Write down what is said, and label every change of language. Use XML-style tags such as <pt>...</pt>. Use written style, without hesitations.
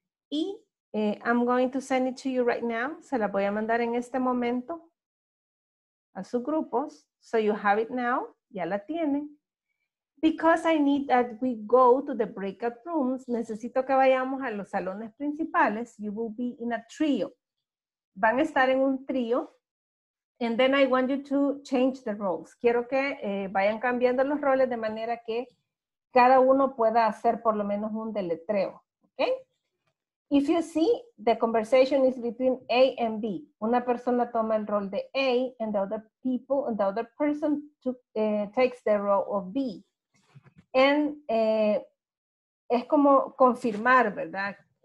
<en>Y I'm going to send it to you right now.</en> <es>Se la voy a mandar en este momento a sus grupos.</es> <en>So you have it now.</en> <es>Ya la tienen.</es> <en>Because I need that we go to the breakout rooms.</en> <es>Necesito que vayamos a los salones principales.</es> <en>You will be in a trio.</en> <es>Van a estar en un trío.</es> <en>And then I want you to change the roles.</en> <es>Quiero que vayan cambiando los roles de manera que cada uno pueda hacer por lo menos un deletreo.</es> <en>Okay? If you see, the conversation is between A and B.</en> <es>Una persona toma el rol de A</es> <en>and the other person takes the role of B.</en> <es>And es como confirmar, ¿verdad?</es>